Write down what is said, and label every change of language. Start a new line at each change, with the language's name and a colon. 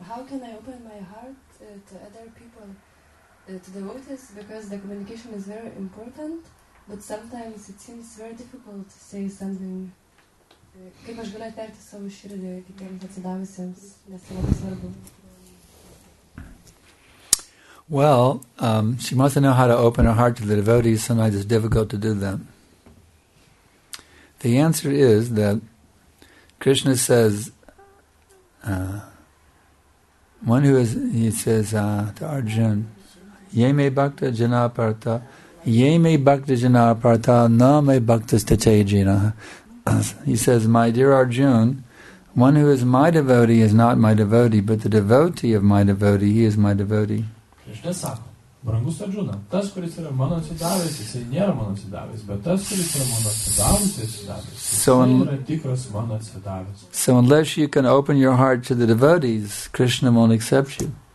English: How can I open my heart to other people, to devotees? Because the communication is very important, but sometimes it seems very difficult to say something.
Lithuanian: Kaip aš galiu atverti savo širdį kitiems atsidavusiems, nes tai labai svarbu.
English: Well, she wants to know how to open her heart to the devotees. Sometimes it's difficult to do that. The answer is that Krishna says, to Arjuna,
Sanskrit: yeme bhakta jana partha, yeme bhakta jana partha, na me bhakta stache jina.
English: He says, my dear Arjuna, one who is my devotee is not my devotee, but the devotee of my devotee, he is my devotee.
Lithuanian: Krishna sako, brangus Arjuna, tas, kuris yra mano atsidavęs, jisai nėra mano atsidavęs, bet tas, kuris yra mano atsidavęs, jisai yra tikras mano atsidavęs.
English: So unless you can open your heart to the devotees, Krishna won't accept you.